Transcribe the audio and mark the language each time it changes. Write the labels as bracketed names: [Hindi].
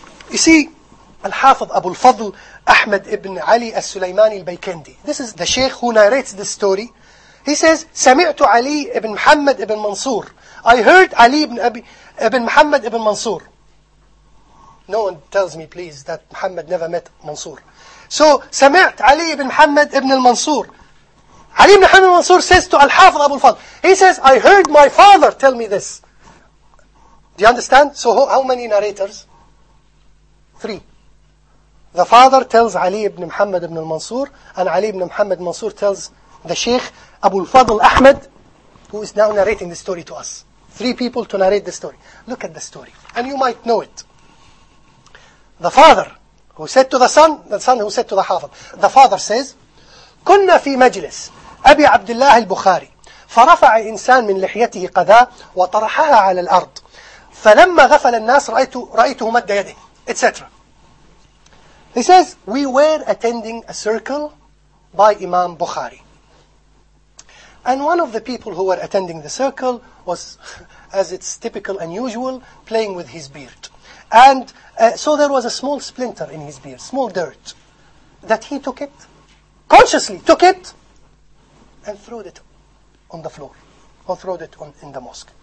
[English] You see, Al-Hafidh Abu al-Fadl Ahmed ibn Ali al-Sulaymani al-Baykandi. This is the sheikh who narrates this story. He says, Sami'tu Ali ibn Muhammad ibn Mansur. I heard Ali ibn Muhammad ibn Mansur. No one tells me, please, that Muhammad never met Mansur. [Arabic] So, سمعت علي بن محمد بن المنصور. [English] علي بن محمد المنصور says to Al-Hafidh Abu al-Fadl. He says, I heard my father tell me this. Do you understand? So, how many narrators? Three. The father tells Ali ibn Muhammad ibn al-Mansur, and Ali ibn Muhammad al-Mansur tells the Sheikh Abu al-Fadl Ahmed, who is now narrating the story to us. Three people to narrate the story. Look at the story. And you might know it. The father... Who said to the son who said to the Hafidh, the father says, [Arabic] كنا في مجلس أبي عبد الله البخاري فرفع إنسان من لحيته قذاء وطرحها على الأرض فلما غفل الناس رأيته مد يده, etc. [English] He says, we were attending a circle by Imam Bukhari. And one of the people who were attending the circle was, as it's typical and usual, playing with his beard. And so there was a small splinter in his beard, small dirt, that he took it, consciously took it, and threw it on the floor, or threw it in the mosque.